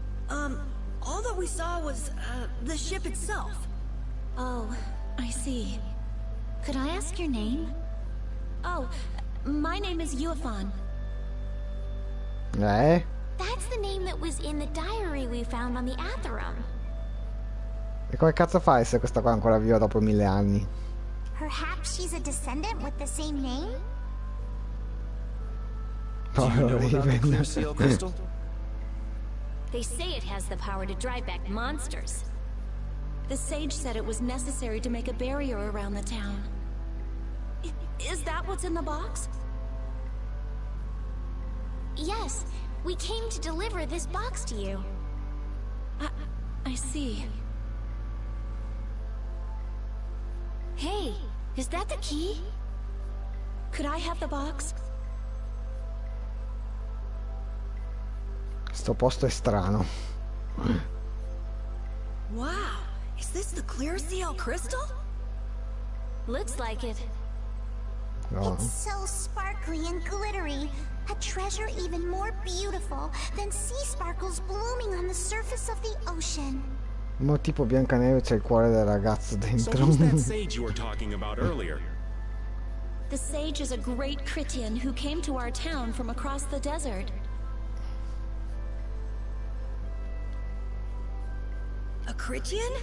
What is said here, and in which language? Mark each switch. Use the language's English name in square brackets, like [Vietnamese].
[English] All that we saw was, the ship itself. Oh, I see. Could I ask your name? Oh, my name is Yuifan. Eh? That's the name that was in the diary we found on the Atherum. [Italian] E come cazzo fai se questa qua è ancora viva dopo mille anni? [English] Perhaps she's a descendant with the same name? Do you know about the clear seal crystal? They say it has the power to drive back monsters. The sage said it was necessary to make a barrier around the town. Is that what's in the box? Yes, we came to deliver this box to you. I see. Hey, is that the key? Could I have the box? [Italian] Sto posto è strano. [English] Wow, is this the clear seal crystal? Looks like it. No. It's so sparkly and glittery, a treasure even more beautiful than sea sparkles blooming on the surface of the ocean. [Italian] Ma tipo Biancaneve c'è il cuore del ragazzo dentro. [English] So who's that sage you were talking about earlier? The sage is a great Critian who came to our town from across the desert. A Critian?